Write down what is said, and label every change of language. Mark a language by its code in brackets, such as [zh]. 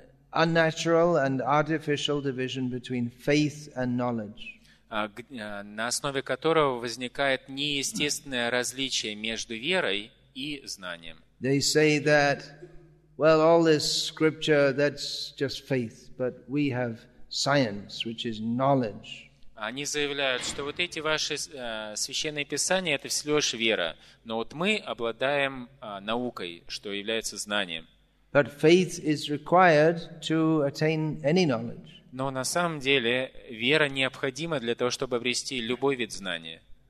[en] Unnatural and artificial division between faith and knowledge. [ru] на основе которого возникает неестественное различие между верой и знанием. [en] They say that, well, all this scripture, that's just faith, but we have science, which is knowledge. [ru] Они заявляют, что вот эти ваши священные писания – это всего лишь вера. Но вот мы обладаем наукой, что является знанием. [en] But faith is required to attain any knowledge. [ru] Но на самом деле вера необходима для того, чтобы обрести любой вид знания.